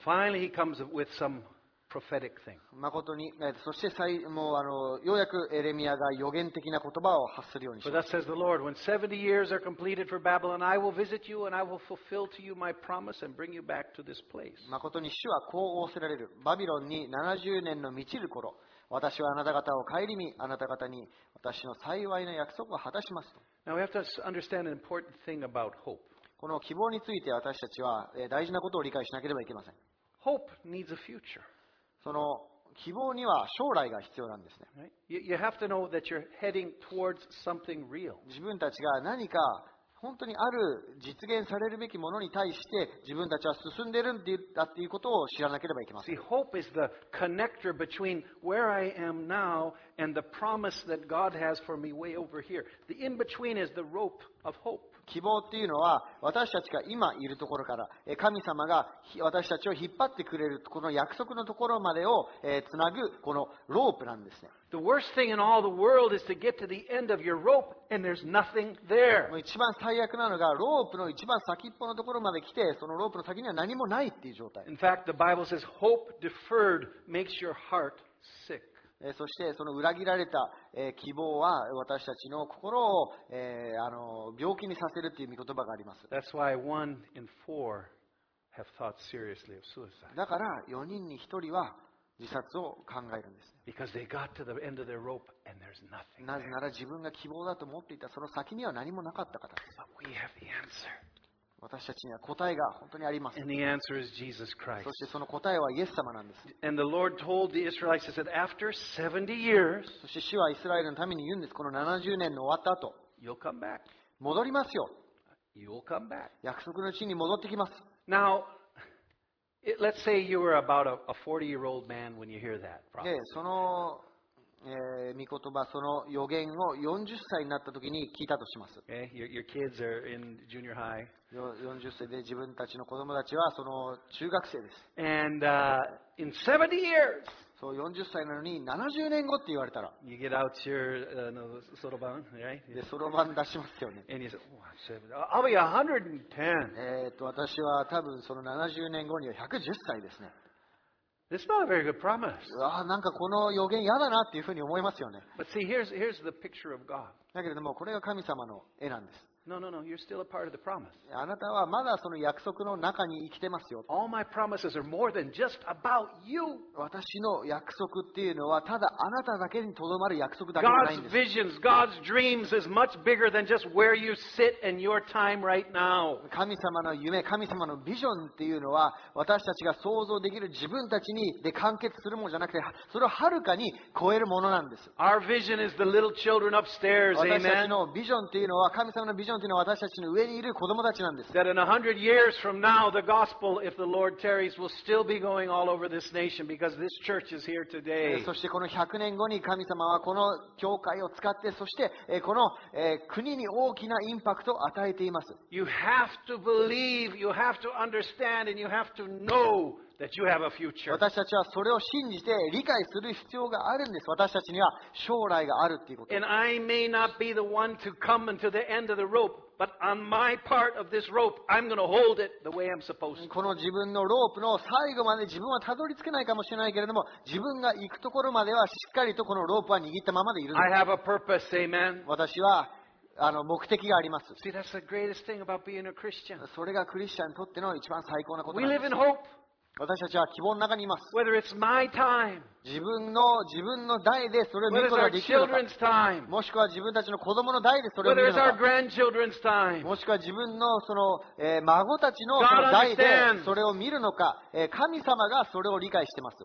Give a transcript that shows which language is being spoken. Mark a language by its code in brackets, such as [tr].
[en] So、finally, he comes with some prophetic thing. [ja] 誠に、そして最もうようやくエレミアが予言的な言葉を発するようにします。 [en] But that says the Lord, when 70 years are completed for Babylon, I will visit you and I will fulfill to you my promise and bring you back to this place. [ja] 誠に主はこう仰せられる。バビロンに70年の満ちる頃、私はあなた方を顧み、あなた方に私の幸いの約束を果たしますと。 [en] Now we have to understand an important thing about hope. [ja] この希望について私たちは大事なことを理解しなければいけません。 [en] Hope needs a future. [ja] その希望には将来が必要なんですね。 [en] You have to know that you're heading towards something real. [ja] 自分たちが何か本当にある実現されるべきものに対して自分たちは進んでいるんだということを知らなければいけません。 [en] See, hope is the connector between where I am now and the promise that God has for me way over here. The in-between is the rope of hope. [ja] 希望っていうのは私たちが今いるところから神様が私たちを引っ張ってくれるこの約束のところまでをつなぐこのロープなんですね。 [en] The worst thing in all the world is to get to the end of your rope and there's nothing there. [ja] 一番最悪なのがロープの一番先っぽのところまで来てそのロープの先には何もないっていう状態。 [en] In fact, the Bible says hope deferred makes your heart sick. [ja] そしてその裏切られた希望は私たちの心を病気にさせるという御言葉があります。 [en] That's why one in four have thought seriously of suicide. [ja] だから4人に1人は自殺を考えるんです。 [en] Because they got to the end of their rope and there's nothing there. [ja] なぜなら自分が希望だと思っていたその先には何もなかったからです。 [en] But we have the answer. [ja] 私たちには答えが本当にあります。 [en] And the answer is Jesus Christ. [ja] そしてその答えはイエス様なんです。 [en] And the Lord told the Israelites, he said, after 70 years, [ja] そして主はイスラエルのために言うんです。この70年の終わった後、 [en] You'll come back. [ja] 戻りますよ。 [en] You'll come back. [ja] 約束の地に戻ってきます。 [en] Now, let's say you were about a 40-year-old man when you hear that prophecy. [ja] で、その御言葉その予言を40歳になった時に聞いたとします。 [en] Okay. Your kids are in junior high. [ja] 40歳で自分たちの子供たちはその中学生です。 [en] And, in 70 years, [ja] そう40歳なのに70年後って言われたら、 [en] you get out your, ソロバン、right? [ja] でソロバン出しますよね。 [en] And you say, I'll be 110. [ja] 私は多分その70年後には110歳ですね。 [en] It's not a very good promise. [ja] うわあ、なんかこの予言嫌だなっていうふうに思いますよね。 [en] But see, here's the picture of God. [ja] だけれども、これが神様の絵なんです。 [en] No, you're still a part of the promise. [ja] あなたはまだその約束の中に生きてますよ。 [en] All my promises are more than just about you. [ja] 私の約束っていうのは、ただあなただけにとどまる約束だけじゃないんです。 [en] God's visions, God's dreams is much bigger than just where you sit and your time right now. [ja] 神様の夢、神様のビジョンっていうのは、私たちが想像できる自分たちにで完結するものじゃなくて、それをはるかに超えるものなんです。 [en] Our vision is the little children upstairs, amen. [ja] 私たちのビジョンっていうのは、神様のビジョン私たちの上にいる子供たちなんです。 [en] That in 100 years from now, the gospel, if the Lord tarries, will still be going all over this nation because this church is here today. [ja] そしてこの100年後に神様はこの教会を使って、そしてこの国に大きなインパクトを与えています。 [en] You have to believe, you have to understand, and you have to know. That you have a future. [ja] 私たちはそれを信じて理解する必要があるんです。私たちには将来があるということ。 [en] And I may not be the one to come until the end of the rope, but on my part of this rope, I'm going to hold it the way I'm supposed to. [ja] この自分のロープの最後まで自分はたどり着けないかもしれないけれども、自分が行くところまではしっかりとこのロープは握ったままでいるんです。 [en] I have a purpose, amen. [ja] 私は目的があります。 [en] See, that's the greatest thing about being a Christian. [ja] それがクリスチャンにとっての一番最高なことなんです。 [en] We live in hope. [ja] 私たちは希望の中にいます。 [en] Whether it's my time, [ja] 自分の代でそれを見ることができるのか、もしくは自分たちの子供の代でそれを見るのか、 [en] Whether it's our grandchildren's time, [ja] もしくは自分のその、孫たちの、 その代でそれを見るのか、神様がそれを理解しています。